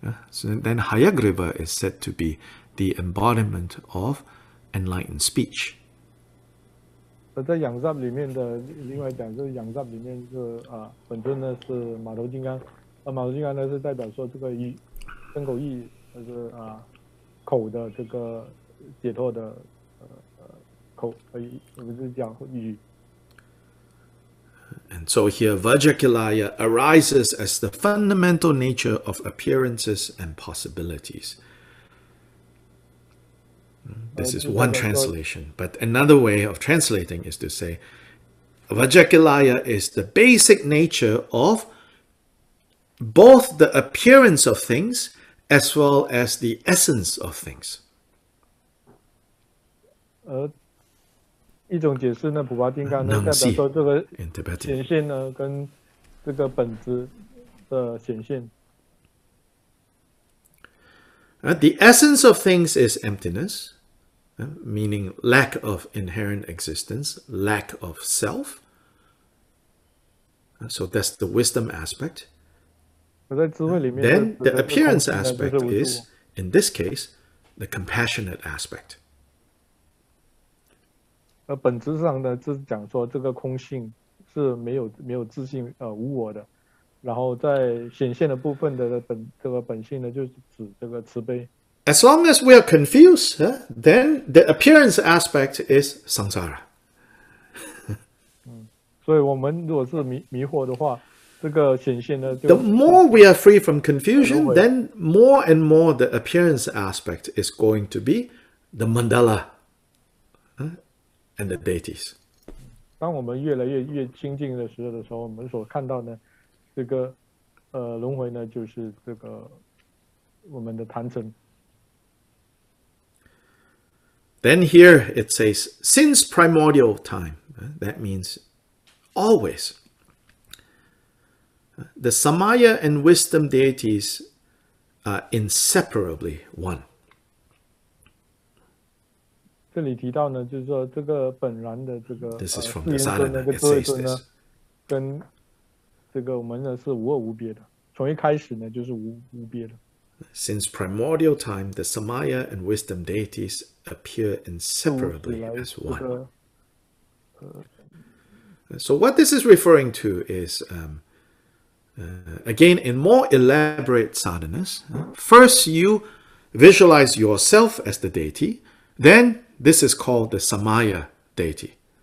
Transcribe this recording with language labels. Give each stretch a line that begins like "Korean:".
English: So then Hayagriva is said to be the embodiment of enlightened speech.
Chinese: 在仰藏里面的另外讲就是仰藏里面是本尊呢是马头金刚，马头金刚呢是代表说这个意身口意，就是口的这个解脱的口意，我们是讲语。
English: And so here Vajrakilaya arises as the fundamental nature of appearances and possibilities. This is one translation, but another way of translating is to say Vajrakilaya is the basic nature of both the appearance of things as well as the essence of things.
Chinese: 一种解释呢，普巴金刚呢，代表说这个显现呢，跟这个本质的显现。
English: The essence of things is emptiness. Meaning lack of inherent existence, lack of self. So that's the wisdom aspect. Then the appearance aspect is, in this case, the compassionate aspect.
Chinese: 本质上呢，就是讲说这个空性是没有自信，无我的。然后在显现的部分的本性呢，就是指这个慈悲。
English: As long as we are confused, then the appearance aspect is samsara.
Chinese: 所以我们如果是迷惑的话，这个显现呢就
English: The more we are free from confusion, then more and more the appearance aspect is going to be the mandala, and the deities.
Chinese: 当我们越来越清净的时候，我们所看到的这个轮回呢，就是这个我们的坛城。
English: Then here it says, since primordial time, that means always, the Samaya and wisdom deities are inseparably one.
Chinese: 这里提到呢，就是说这个本然的这个
English: This is from the Sadhana, it says this.
Chinese: 跟这个我们呢是无二无别的，从一开始呢就是无别的。
English: Since primordial time, the Samaya and wisdom deities appear inseparably as one. So what this is referring to is, again, in more elaborate sadhanas, first you visualize yourself as the deity, then this is called the Samaya deity.